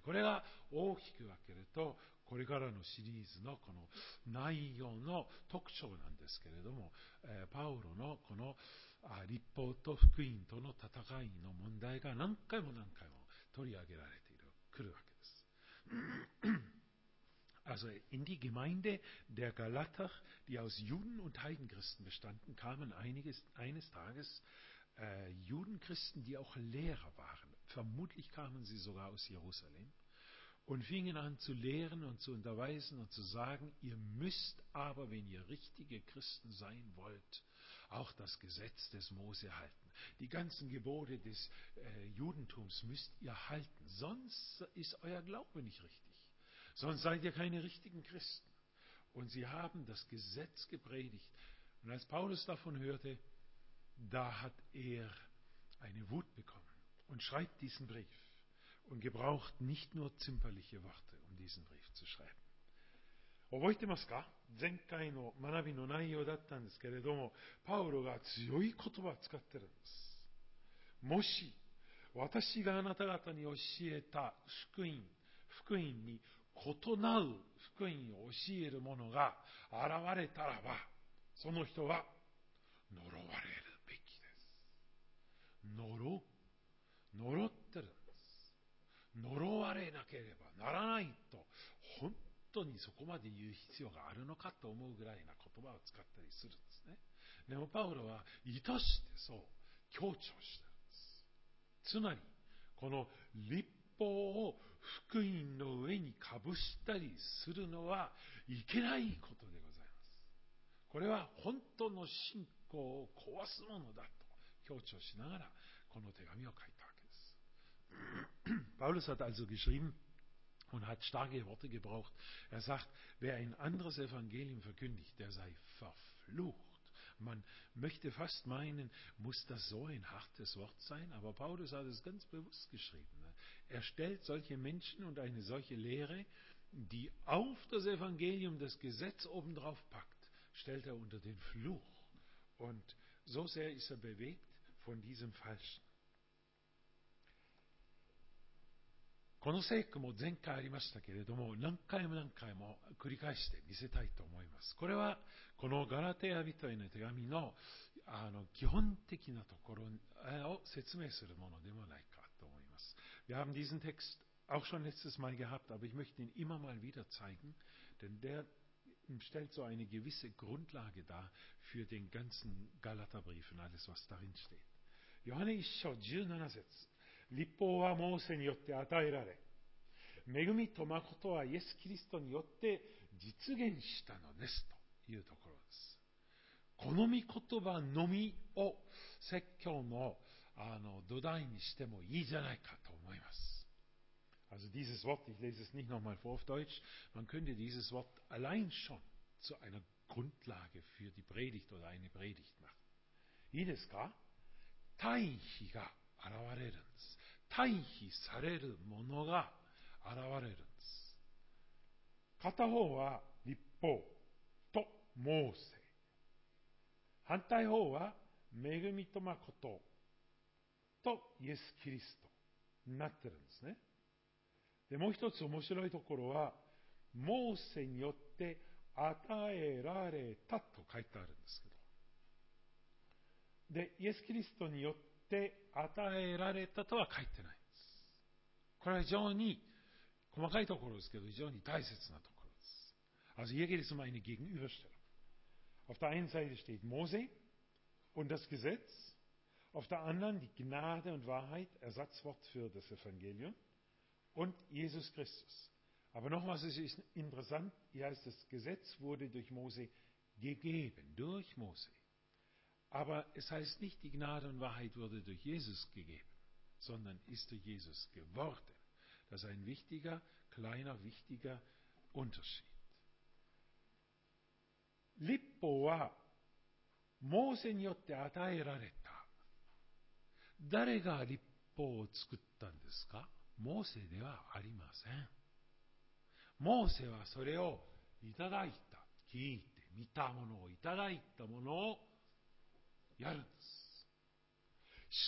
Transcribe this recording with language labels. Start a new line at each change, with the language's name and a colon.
Japanese: でこれが大きく分けるとこれからのシリーズのこの内容の特徴なんですけれども、パウロのこの律法と福音との戦いの問題が何回も何回も取り上げられているくるわけです。
German: Also in die Gemeinde der Galater, die aus Juden und Heidenchristen bestanden, kamen eines Tages Judenchristen, die auch Lehrer waren. Vermutlich kamen sie sogar aus Jerusalem und fingen an zu lehren und zu unterweisen und zu sagen, ihr müsst aber, wenn ihr richtige Christen sein wollt, auch das Gesetz des Mose halten. Die ganzen Gebote des Judentums müsst ihr halten, sonst ist euer Glaube nicht richtig. Sonst seid ihr keine richtigen Christen. Und sie haben das Gesetz gepredigt. Und als Paulus davon hörte, da hat er eine Wut bekommen und schreibt diesen Brief und gebraucht nicht nur zimperliche Worte, um diesen Brief zu schreiben.
Japanese: 覚えてますか？前回の学びの内容だったんですけれども、パウロが強い言葉を使っているんです。もし私があなた方に教えた福音に異なる福音を教える者が現れたらば、その人は呪われるべきです。呪ってるんです。呪われなければならないと、本当にそこまで言う必要があるのかと思うぐらいな言葉を使ったりするんですね。でもパウロは意図してそう強調しているんです。つまりこの律法を福音の上にかぶしたりするのはいけないことでございます。これは本当の信仰を壊すものだと強調しながらこの手紙を書いたわけです。
German: パウロは also geschriebenUnd hat starke Worte gebraucht. Er sagt, wer ein anderes Evangelium verkündigt, der sei verflucht. Man möchte fast meinen, muss das so ein hartes Wort sein? Aber Paulus hat es ganz bewusst geschrieben. Er stellt solche Menschen und eine solche Lehre, die auf das Evangelium das Gesetz obendrauf packt, stellt er unter den Fluch. Und so sehr ist er bewegt von diesem Falschen.
Japanese: この聖句も前回ありましたけれども、何回も何回も繰り返して見せたいと思います。これは、このガラテヤ人への手紙 の, 基本的なところを説明するものでもないかと思います。
German: Wir haben diesen Text auch schon letztes Mal gehabt, aber ich möchte ihn immer mal wieder zeigen, denn der stellt so eine gewisse Grundlage dar für den ganzen Galaterbrief und alles, was darin steht. Johannes 1:17 Satz.
Japanese: 律法はモーセによって与えられ、恵みと誠はイエス・キリストによって実現したのですというところです。この御言葉のみを説教 の, あの土台にしてもいいじゃないかと思います。
German: Also dieses Wort, ich lese es nicht nochmal vor auf Deutsch, man könnte dieses Wort allein schon zu einer Grundlage für die Predigt oder eine Predigt machen.
Japanese: いいですか？対比が現れるんです。対比されるものが現れるんです。片方は律法とモーセ。反対方は恵みと誠とイエス・キリストになってるんですね。で、もう一つ面白いところは、モーセによって与えられたと書いてあるんですけど。で、イエス・キリストによって与えられたとは書いてないんです。これは非常に細かいところですけど、非常に大切なところです。
German: Also hier geht es um eine Gegenüberstellung. Auf der einen Seite steht Mose und das Gesetz, auf der anderen die Gnade und Wahrheit, Ersatzwort für das Evangelium und Jesus Christus. Aber noch was ist interessant, hier heißt das Gesetz wurde durch Mose gegeben, durch Mose. Aber es heißt nicht, die Gnade und Wahrheit wurde durch Jesus gegeben, sondern ist durch Jesus geworden. Das ist ein wichtiger, kleiner, wichtiger Unterschied.
Japanese: 律法はモーセによって与えられた。誰が律法を作ったんですか？モーセではありません。モーセはそれをいただいた、聞いて、見たものをいただいたものをやるんです。